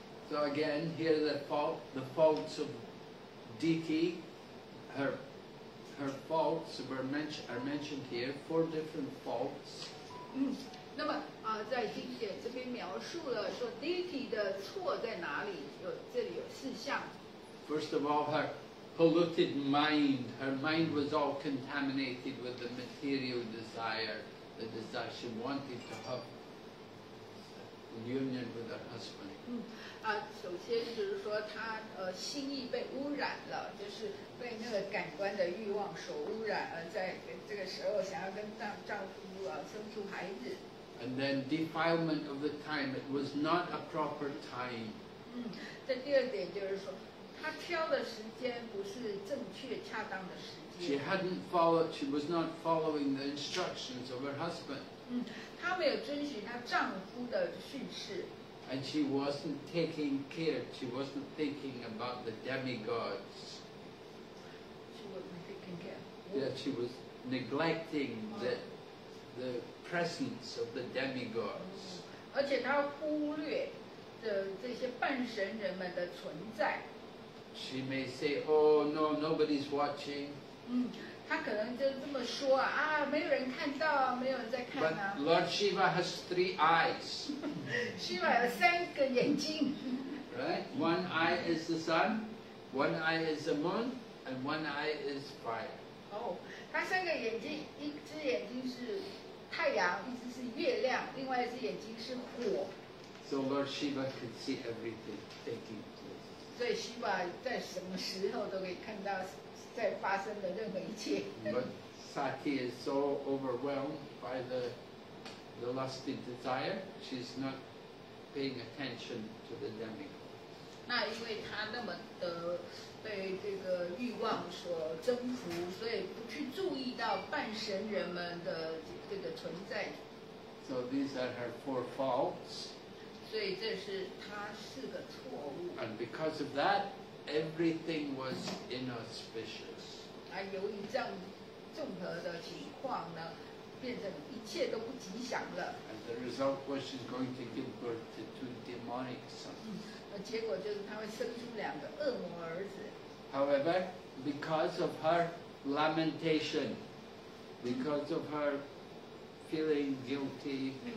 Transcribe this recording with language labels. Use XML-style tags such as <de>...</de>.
<en>So again, here the fault, the faults of Diti, her faults were mentioned here, four different faults.</en> <zh>那么在经典这边描述了说 Diti 的错在哪里，这里有四项。</zh> <en>First of all, herPolluted mind. Her mind was all contaminated with the material desire, the desire she wanted to have union with her husband.</en> <zh>首先就是说她心意被污染了，就是被那个感官的欲望所污染，在这个时候想要跟丈夫生出孩子。</zh> <en>And then defilement of the time. It was not a proper time.</en> <zh>这第二点就是说。她挑的时间不是正确恰当的时间。</zh> <en>She hadn't followed. She was not following the instructions of her husband.</en> <zh>她没有遵循她丈夫的训示。</zh> <en>And she wasn't taking care. She wasn't thinking about the demigods. She wasn't taking care. Yeah, she was neglecting the presence of the demigods.</en> <zh>而且她忽略的这些半神人们的存在。</zh> <en>She may say, "Oh no, nobody's watching."</en> <zh>她可能就这么说啊，没有人看到，没有人在看啊。</zh> <en>But Lord Shiva has three eyes.</en> <zh>Shiva 有三个眼睛。</zh> <en>Right, one eye is the sun, one eye is the moon, and one eye is fire.</en> <zh>她三个眼睛，一只眼睛是太阳，一只是月亮，另外一只眼睛是火。</zh> <en>So Lord Shiva could see everything taking place.</en> <zh>所以希望在什么时候都可以看到在发生的任何一切。</zh> <en>But Sati is so overwhelmed by the lusty desire, she's not paying attention to the demigod.</en> <zh>那因为她那么的被这个欲望所征服，所以不去注意到半神人们的这个存在。</zh> <en>So these are her four faults.</en> <zh>所以这是他四个错误。</zh> <en>And because of that, everything was inauspicious.</en> <zh>由于这样综合的情况呢，变成一切都不吉祥了。</zh> <en>And the result was she's going to give birth to two demonic sons.</en> <zh>结果就是他会生出两个恶魔儿子。</zh> <en>However, because of her lamentation, because of her feeling guilty.</en>